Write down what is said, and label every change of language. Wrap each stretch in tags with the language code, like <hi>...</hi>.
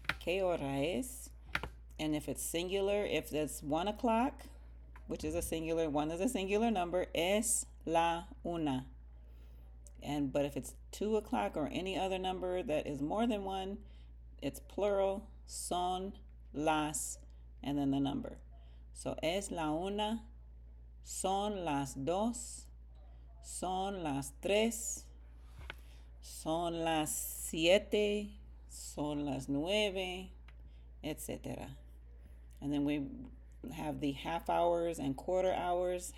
<es>Qué hora es?</es> <en>And if it's singular, if it's 1 o'clock, which is a singular, one is a singular number,</en> <es>es la una.</es> <en>And but if it's 2 o'clock or any other number that is more than one, it's plural,</en> <es>son las,</es> <en>and then the number.</en> <es>So es la una, son las dos, son las tres, son las siete, son las nueve, etc.</es> <en>And then we have the half hours and quarter hours.</en>